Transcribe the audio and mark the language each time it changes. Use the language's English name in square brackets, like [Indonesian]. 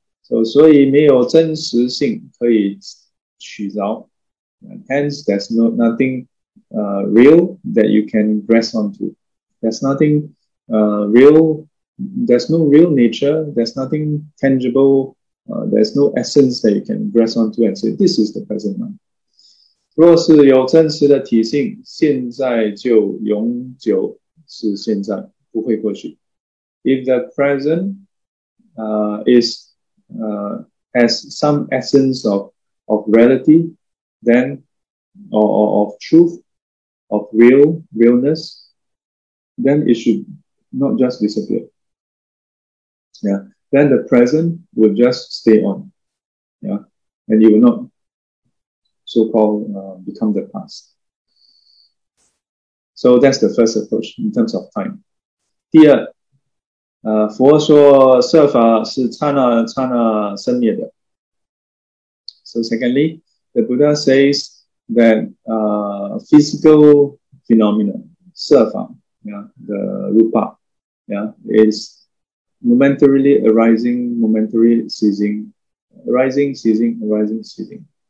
[Chinese] So 所以没有真实性可以取着. [English] Hence, there's nothing real that you can grasp onto. There's nothing real. There's no real nature. There's nothing tangible. There's no essence that you can grasp onto and say, this is the present mind. [Chinese] 若是有真实的体性, 现在就永久是现在,不会过去. [English] If the present has some essence of reality, then or of truth, of realness, then it should not just disappear. Yeah. Then the present will just stay on. Yeah. And you will not so-called become the past. So that's the first approach in terms of time. [Chinese] 第二, 佛说设法是刹那生灭的. [English] So secondly, the Buddha says that physical phenomena, 设法, yeah, the rupa, yeah, is momentarily arising, momentarily ceasing, arising, ceasing, arising, ceasing.